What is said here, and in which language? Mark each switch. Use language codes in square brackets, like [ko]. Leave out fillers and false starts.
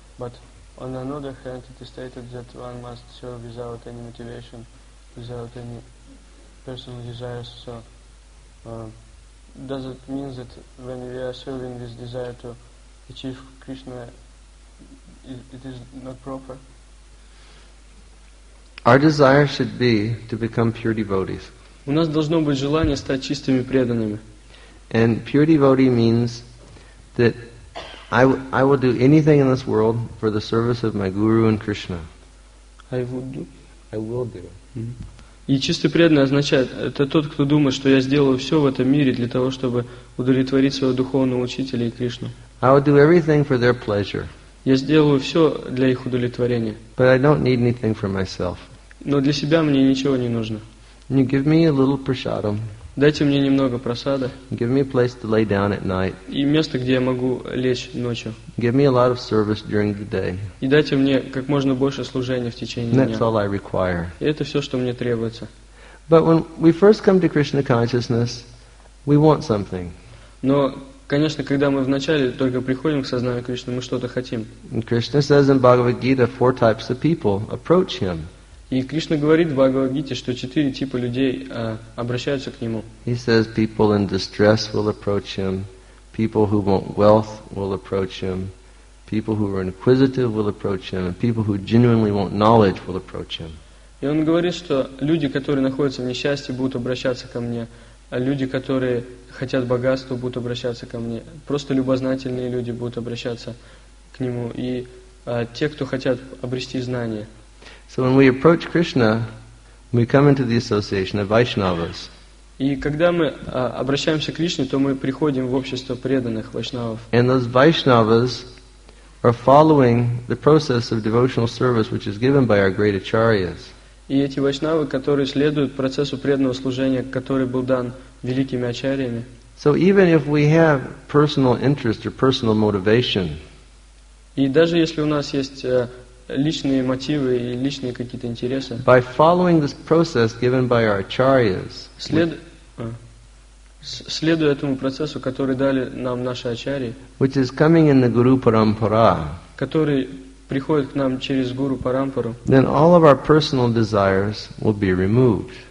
[en] But on another hand, it is stated that one must serve without any motivation, without any personal desires. So, does it mean that when we are serving with desire to achieve Krishna, it is not proper? Our desire should be to become pure devotees. [ru] У нас должно быть желание стать чистыми преданными. [en] And pure devotee means that I will do anything in this world for the service of my guru and Krishna. I will do. [ru] И чистый преданный означает, это тот, кто думает, что я сделаю все в этом мире для того, чтобы удовлетворить своего духовного учителя и Кришну. [en] I will do everything for their pleasure. [ru] Я сделаю все для их удовлетворения. [en] But I don't need anything for myself. [ru] Но для себя мне ничего не нужно. [en] You give me a little prasadam. [ru] Дайте мне немного просада. [en] Give me a place to lay down at night. [ru] И место, где я могу лечь ночью. [en] Give me a lot of service during the day. [ru] И дайте мне как можно больше служения в течение [en] and That's all I require. [ru] И это все, что мне требуется. [en] But when we first come to Krishna consciousness, we want something. [ru] Но конечно, когда мы вначале только приходим к сознанию Кришны, мы что-то хотим. [en] And Krishna says in Bhagavad Gita, four types of people approach him. [ru] И Кришна говорит в Бхагавад Гите, что четыре типа людей обращаются к нему. [en] He says people in distress will approach him, people who want wealth will approach him, people who are inquisitive will approach him, and people who genuinely want knowledge will approach him. [ru] И он говорит, что люди, которые находятся в несчастье, будут обращаться ко мне. А люди, которые хотят богатства, будут обращаться ко мне. Просто любознательные люди будут обращаться к нему. И те, кто хотят обрести знания. [en] So when we approach Krishna, we come into the association of Vaishnavas. [ru] И когда мы обращаемся к Кришне, то мы приходим в общество преданных вайшнавов. [en] And those Vaishnavas are following the process of devotional service, which is given by our great acharyas. [ru] И эти вайшнавы, которые следуют процессу преданного служения, который был дан великими ачарьями. [en] So even if we have personal interest or personal motivation. [ru] И даже если у нас есть личные мотивы и личные какие-то интересы. [en] By following this process given by our acharyas. [ru] Следуя этому процессу, который дали нам наши ачарьи. [en] Which is coming in the Guru Parampara. [ru] Который приходит к нам через гуру парампару. [en] Then all of our personal desires will be removed.